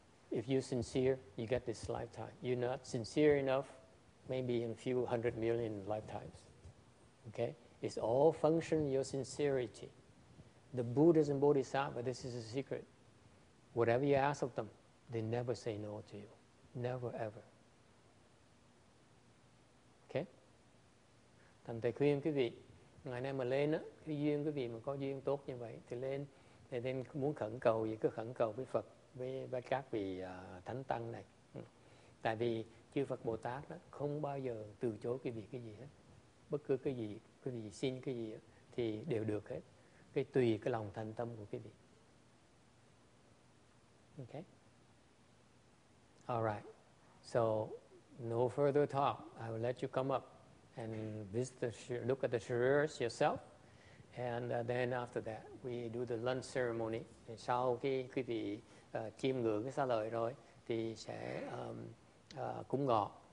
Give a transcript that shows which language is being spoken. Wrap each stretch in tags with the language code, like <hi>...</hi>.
<en>If you're sincere, you get this lifetime. You're not sincere enough, maybe in a few hundred million lifetimes, okay? It's all function of your sincerity. The Buddhas and Bodhisattvas, this is a secret. Whatever you ask of them, they never say no to you. Never, ever. Okay?</en> <vi>Thành thầy khuyên quý vị, ngày nay mà lên á, cái duyên quý vị mà có duyên tốt như vậy, thì lên, thì nên muốn khẩn cầu gì, cứ khẩn cầu với Phật, với các vị Thánh Tăng này. Tại vì chư Phật Bồ Tát đó, không bao giờ từ chối quý vị cái gì hết. Bất cứ cái gì, quý vị xin cái gì thì đều được hết. Cái tùy cái lòng thành tâm của quý vị.</vi> <en>Okay. All right. So, no further talk. I will let you come up and visit the look at the shears yourself. And then after that, we do the lunch ceremony.</en> <vi>Sau khi quý vị chiêm ngưỡng cái xá lợi rồi, thì sẽ cúng ngọ.</vi>